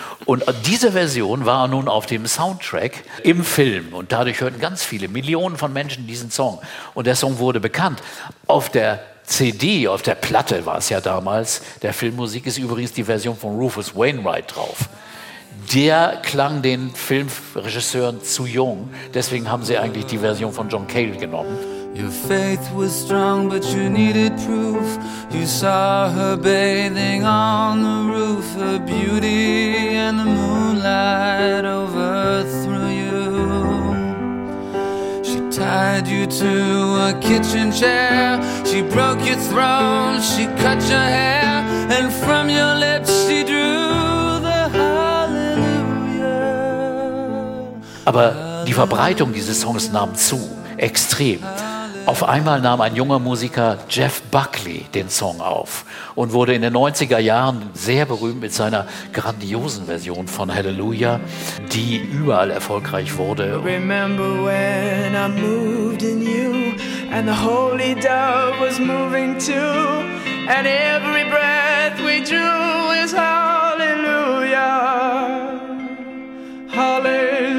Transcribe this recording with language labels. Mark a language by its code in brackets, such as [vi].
[de] Und diese Version war nun auf dem Soundtrack im Film und dadurch hörten ganz viele, Millionen von Menschen diesen Song und der Song wurde bekannt. Auf der CD, auf der Platte war es ja damals, der Filmmusik ist übrigens die Version von Rufus Wainwright drauf. Der klang den Filmregisseuren zu jung, deswegen haben sie eigentlich die Version von John Cale genommen. [en] Your faith was strong, but you needed proof. You saw her bathing on the roof. Her beauty and the moonlight overthrew you. She tied you to a kitchen chair. She broke your throne, she cut your hair. And from your lips she drew the hallelujah. [de] Aber die Verbreitung dieses Songs nahm zu, extrem. Auf einmal nahm ein junger Musiker, Jeff Buckley, den Song auf und wurde in den 90er Jahren sehr berühmt mit seiner grandiosen Version von Halleluja, die überall erfolgreich wurde. [en] Remember when I moved in you and the holy dove was moving too and every breath we drew is Halleluja, Halleluja.